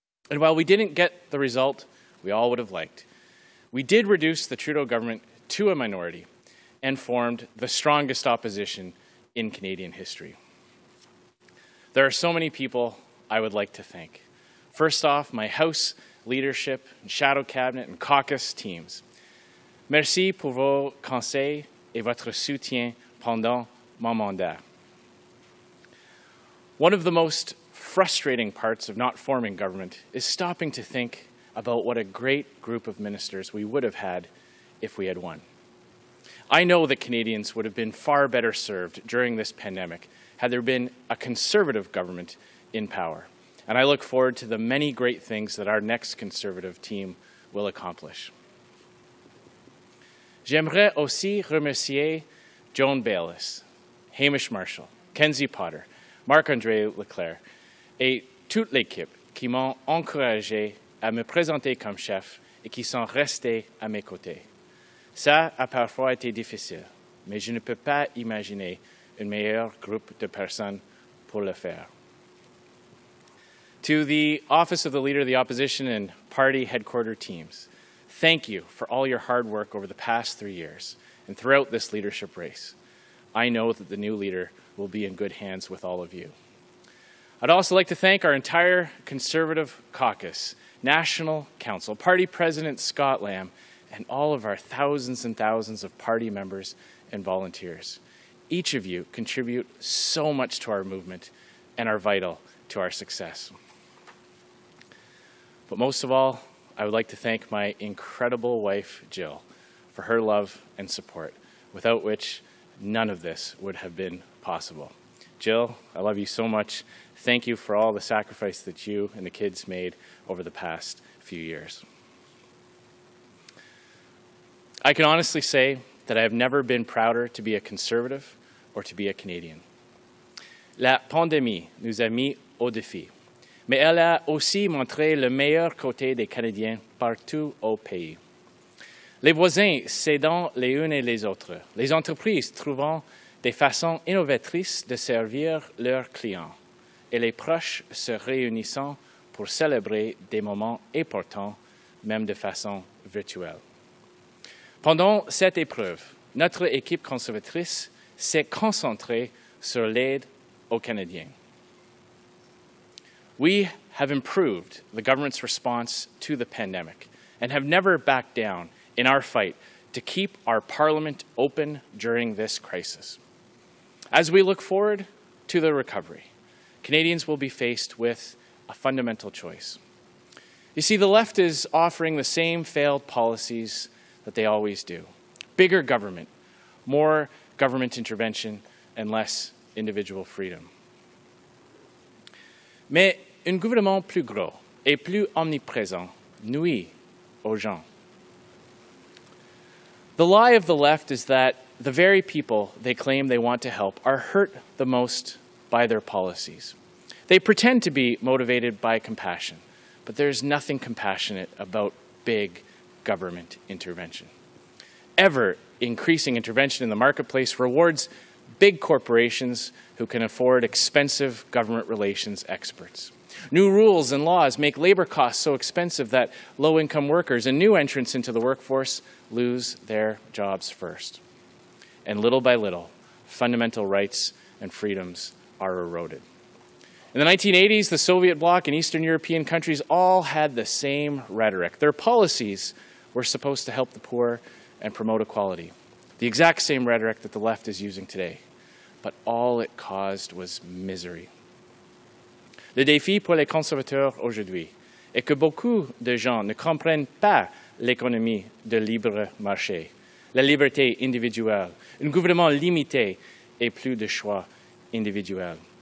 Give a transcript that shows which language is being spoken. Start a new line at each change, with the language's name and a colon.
English: And while we didn't get the result we all would have liked, we did reduce the Trudeau government to a minority and formed the strongest opposition in Canadian history. There are so many people I would like to thank. First off, my House leadership, and shadow cabinet, and caucus teams.
French: Merci pour vos conseils et votre soutien pendant mon mandat.
English: One of the most frustrating parts of not forming government is stopping to think about what a great group of ministers we would have had if we had won. I know that Canadians would have been far better served during this pandemic had there been a Conservative government in power. And I look forward to the many great things that our next Conservative team will accomplish.
French: J'aimerais aussi remercier Joan Bayliss, Hamish Marshall, Kenzie Potter, Marc-André Leclerc et toute l'équipe qui m'ont encouragé à me présenter comme chef et qui sont restés à mes côtés. Ça a parfois été difficile, mais je ne peux pas imaginer un meilleur groupe de personnes pour le faire.
English: To the Office of the Leader of the Opposition and Party Headquarter Teams, thank you for all your hard work over the past 3 years and throughout this leadership race. I know that the new leader will be in good hands with all of you. I'd also like to thank our entire Conservative Caucus, National Council, Party President Scott Lamb, and all of our thousands and thousands of party members and volunteers. Each of you contribute so much to our movement and are vital to our success. But most of all, I would like to thank my incredible wife, Jill, for her love and support, without which none of this would have been possible. Jill, I love you so much. Thank you for all the sacrifice that you and the kids made over the past few years. I can honestly say that I have never been prouder to be a Conservative or to be a Canadian.
French: La pandémie nous a mis au défi, mais elle a aussi montré le meilleur côté des Canadiens partout au pays. Les voisins s'aidant les unes et les autres, les entreprises trouvant des façons innovatrices de servir leurs clients, et les proches se réunissant pour célébrer des moments importants, même de façon virtuelle. Pendant cette épreuve, notre équipe conservatrice s'est concentrée sur l'aide aux Canadiens.
English: We have improved the government's response to the pandemic and have never backed down in our fight to keep our parliament open during this crisis. As we look forward to the recovery, Canadians will be faced with a fundamental choice. You see, the left is offering the same failed policies that they always do. Bigger government, more government intervention, and less individual freedom.
French: Mais un gouvernement plus gros et plus omniprésent nuit aux gens.
English: The lie of the left is that the very people they claim they want to help are hurt the most by their policies. They pretend to be motivated by compassion, but there's nothing compassionate about big government intervention. Ever increasing intervention in the marketplace rewards big corporations who can afford expensive government relations experts. New rules and laws make labor costs so expensive that low-income workers and new entrants into the workforce lose their jobs first. And little by little, fundamental rights and freedoms are eroded. In the 1980s, the Soviet bloc and Eastern European countries all had the same rhetoric. Their policies were supposed to help the poor and promote equality. The exact same rhetoric that the left is using today. But all it caused was misery.
French: Le défi pour les conservateurs aujourd'hui est que beaucoup de gens ne comprennent pas l'économie de libre marché, la liberté individuelle, un gouvernement limité et plus de choix individuel.